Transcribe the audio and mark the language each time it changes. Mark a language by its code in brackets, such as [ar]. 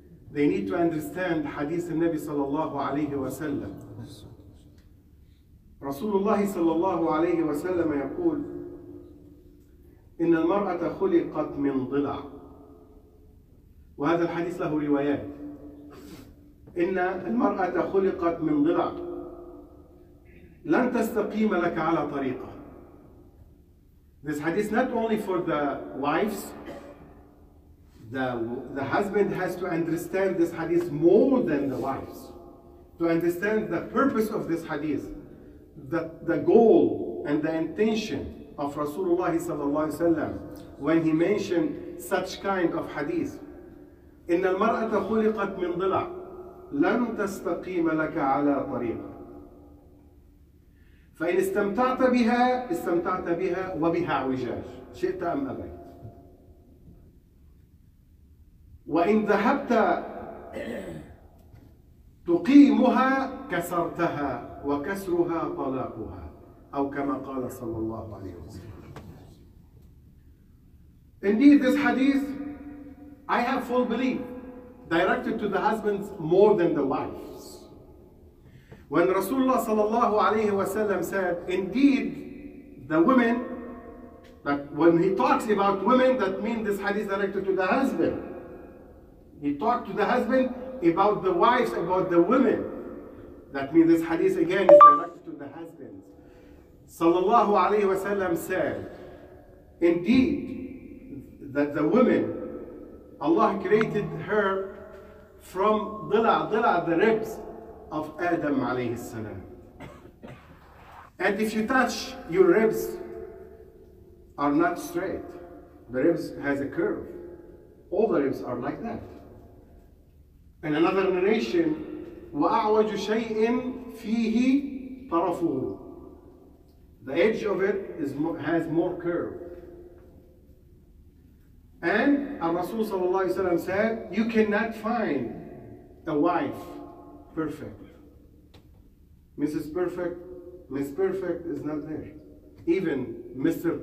[en] They need to understand hadith of Nabi Sallallahu Alaihi Wasallam. [ar] Rasulullah Sallallahu Alaihi Wasallam يقول: إن المرأة خلقت من ضلع. وهذا الحديث له روايات. إن المرأة خلقت من ضلع لن تستقيم لك على طريقة. [en] This hadith not only for the wives, the husband has to understand this hadith more than the wives, to understand the purpose of this hadith, the goal and the intention of Rasulullah sallallahu alaihi wasallam when he mentioned such kind of hadith. [ar] إن المرأة خلقت من ضلع لن تستقيم لك على طريق فإن استمتعت بها استمتعت بها وبها عوجاج. شئت أم أبيت. وإن ذهبت تقيمها كسرتها، وكسرها طلاقها، أو كما قال صلى الله عليه وسلم. [en] Indeed, this hadith, I have full belief, directed to the husbands more than the wives. When Rasulullah صلى الله عليه وسلم said, indeed, the women, that when he talks about women, that means this hadith directed to the husband. He talked to the husband about the wives, about the women. That means this hadith again is directed to the husband. Sallallahu alayhi wasallam said, indeed, that the woman, Allah created her from dila, the ribs of Adam alayhi salam. And if you touch, your ribs are not straight. The ribs has a curve. All the ribs are like that. In another narration, [ar] وَأَعْوَجُ شَيْءٍ فِيهِ طَرَفُهُ. [en] The edge of it is has more curve. And Rasul sallallahu alayhi wa sallam said, you cannot find a wife perfect. Mrs. Perfect, Miss Perfect is not there. Even Mr.